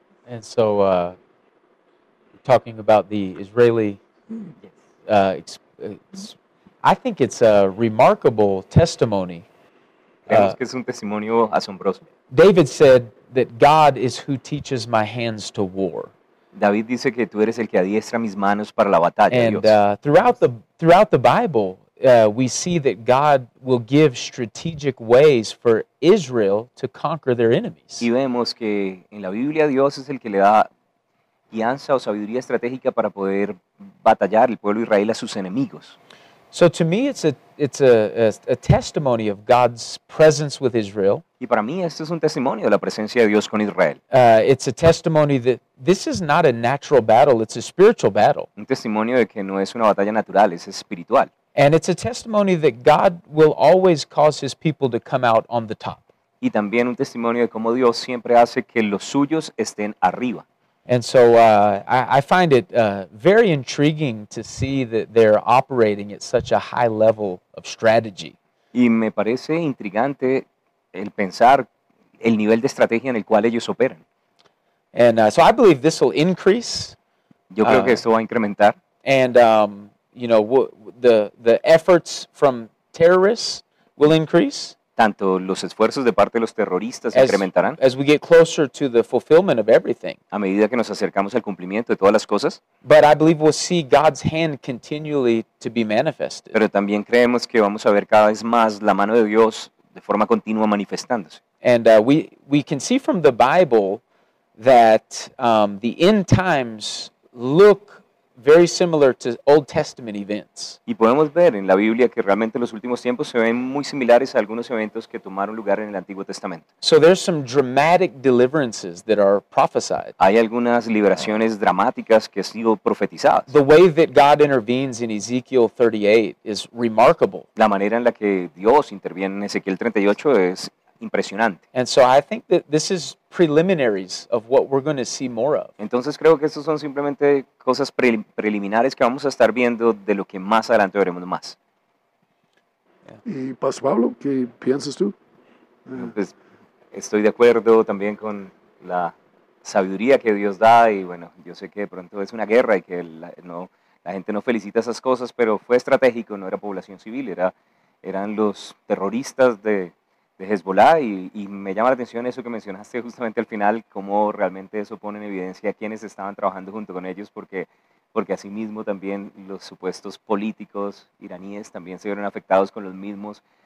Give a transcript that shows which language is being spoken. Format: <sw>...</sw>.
<en>And so, talking about the Israeli, I think it's a remarkable testimony.</en> <es>Es un testimonio asombroso.</es> <en>David said that God is who teaches my hands to war.</en> <es>David dice que tú eres el que adiestra mis manos para la batalla.</es> <en>And</en> <es>Dios.</es> <en>Throughout the Bible, we see that God will give strategic ways for Israel to conquer their enemies.</en> <es>Y vemos que en la Biblia Dios es el que le da guianza o sabiduría estratégica para poder batallar el pueblo de Israel a sus enemigos.</es> <en>So to me, it's a testimony of God's presence with Israel.</en> <es>Y para mí, este es un testimonio de la presencia de Dios con Israel.</es> <en>It's a testimony that this is not a natural battle; it's a spiritual battle.</en> <es>Un testimonio de que no es una batalla natural, es espiritual.</es> <en>And it's a testimony that God will always cause His people to come out on the top.</en> <es>Y también un testimonio de cómo Dios siempre hace que los suyos estén arriba.</es> <en>And so I find it very intriguing to see that they're operating at such a high level of strategy.</en> <es>Y me parece intrigante el pensar el nivel de estrategia en el cual ellos operan.</es> <en>And so I believe this will increase.</en> <es>Yo creo que esto va a incrementar.</es> <en>And you know, the efforts from terrorists will increase.</en> <es>Tanto los esfuerzos de parte de los terroristas incrementarán.</es> <en>As we get closer to the fulfillment of everything.</en> <es>A medida que nos acercamos al cumplimiento de todas las cosas.</es> <en>But I believe we'll see God's hand continually to be manifested.</en> <es>Pero también creemos que vamos a ver cada vez más la mano de Dios de forma continua manifestándose.</es> <en>And we can see from the Bible that the end times look very similar to Old Testament events.</en> <es>Y podemos ver en la Biblia que realmente los últimos tiempos se ven muy similares a algunos eventos que tomaron lugar en el Antiguo Testamento.</es> <en>So there's some dramatic deliverances that are prophesied.</en> <es>Hay algunas liberaciones dramáticas que han sido profetizadas.</es> <en>The way that God intervenes in Ezekiel 38 is remarkable.</en> <es>La manera en la que Dios interviene en Ezequiel 38 es impresionante.</es> <en>And so I think that this is preliminaries of what we're going to see more of.</en> <es>Entonces creo que estos son simplemente cosas preliminares que vamos a estar viendo de lo que más adelante veremos más. Yeah. Y Pastor Pablo, ¿qué piensas tú? Pues estoy de acuerdo también con la sabiduría que Dios da y bueno, yo sé que de pronto es una guerra y que la gente no felicita esas cosas, pero fue estratégico, no era población civil, eran los terroristas de Hezbollah, y me llama la atención eso que mencionaste justamente al final, cómo realmente eso pone en evidencia quienes estaban trabajando junto con ellos, porque asimismo también los supuestos políticos iraníes también se vieron afectados con los mismos</es>